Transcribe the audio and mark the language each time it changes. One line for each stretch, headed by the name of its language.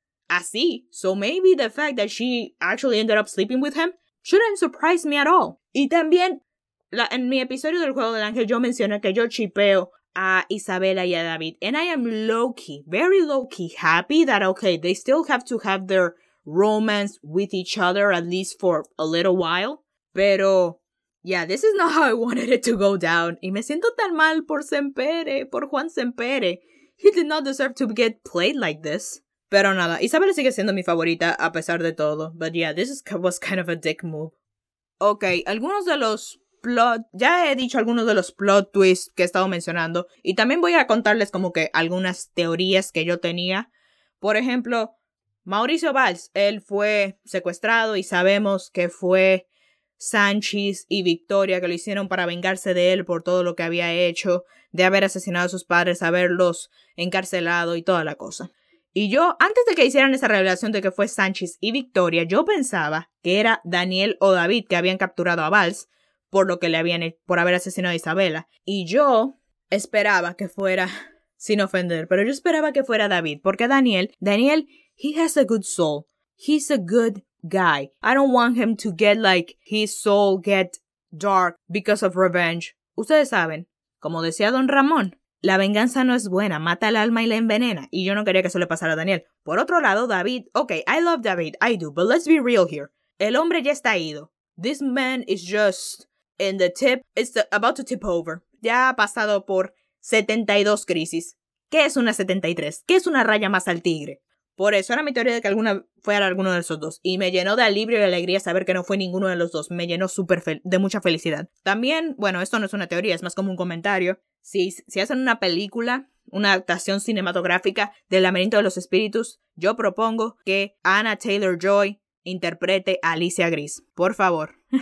English: Así, so maybe the fact that she actually ended up sleeping with him shouldn't surprise me at all.
Spanish: Y también, en mi episodio del juego del ángel, yo mencioné que yo chipeo a Isabela y a David.
English: And I am low-key, very low-key, happy that, okay, they still have to have their romance with each other, at least for a little while. Pero, yeah, this is not how I wanted it to go down.
Spanish: Y me siento tan mal por Sempere, por Juan Sempere.
English: He did not deserve to get played like this.
Spanish: Pero nada, Isabela sigue siendo mi favorita a pesar de todo.
English: But yeah, this was kind of a dick move.
Spanish: Okay, algunos de los plot... Ya he dicho algunos de los plot twists que he estado mencionando. Y también voy a contarles como que algunas teorías que yo tenía. Por ejemplo, Mauricio Valls, él fue secuestrado y sabemos que fue Sánchez y Victoria que lo hicieron para vengarse de él por todo lo que había hecho, de haber asesinado a sus padres, haberlos encarcelado y toda la cosa. Y yo, antes de que hicieran esa revelación de que fue Sánchez y Victoria, yo pensaba que era Daniel o David que habían capturado a Valls por lo que le habían por haber asesinado a Isabela. Y yo esperaba que fuera, sin ofender, pero yo esperaba que fuera David, porque Daniel,
English: he has a good soul. He's a good guy. I don't want him to get like his soul get dark because of revenge.
Spanish: Ustedes saben, como decía Don Ramón, la venganza no es buena, mata el alma y la envenena. Y yo no quería que eso le pasara a Daniel. Por otro lado,
English: David, okay, I love David, I do, but let's be real here.
Spanish: El hombre ya está ido.
English: This man is just in the tip, it's about to tip over.
Spanish: Ya ha pasado por 72 crisis. ¿Qué es una 73? ¿Qué es una raya más al tigre? Por eso era mi teoría de que alguna fuera alguno de esos dos. Y me llenó de alivio y de alegría saber que no fue ninguno de los dos. Me llenó súper de mucha felicidad. También, bueno, esto no es una teoría, es más como un comentario. Si hacen una película, una adaptación cinematográfica del Laberinto de los Espíritus, yo propongo que Anna Taylor-Joy interprete a Alicia Gris. Por favor.